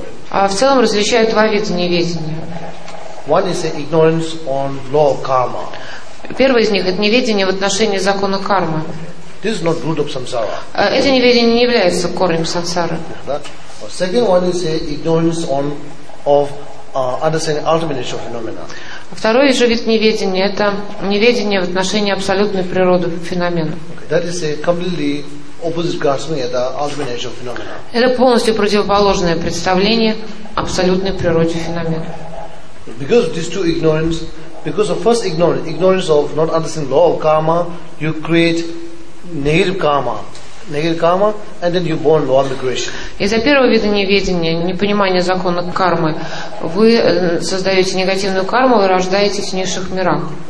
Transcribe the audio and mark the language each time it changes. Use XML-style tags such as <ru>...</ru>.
<ru>В целом различают два вида неведения.</ru> <en>One is the ignorance on law of karma.</en> <ru>Первое из них — это неведение в отношении закона кармы.</ru> <en>This is not root of samsara.</en> <ru>Это неведение не является корнем сансары.</ru> <en>Second one is a ignorance on of understanding ultimate nature of phenomena.</en> <ru>Второй же вид неведения — это неведение в отношении абсолютной природы феномена.</ru> <en>That is a completely opposite grasping at the ultimate nature of phenomena.</en> <ru>Это полностью противоположное представление абсолютной природе феномена.</ru> <en>Because of these two ignorance, because of first ignorance of not understanding law of karma, you create negative karma. And then you're born law of migration.</en> <ru>Из-за первого вида неведения, непонимания закона кармы, вы создаете негативную карму и рождаетесь в низших мирах.</ru>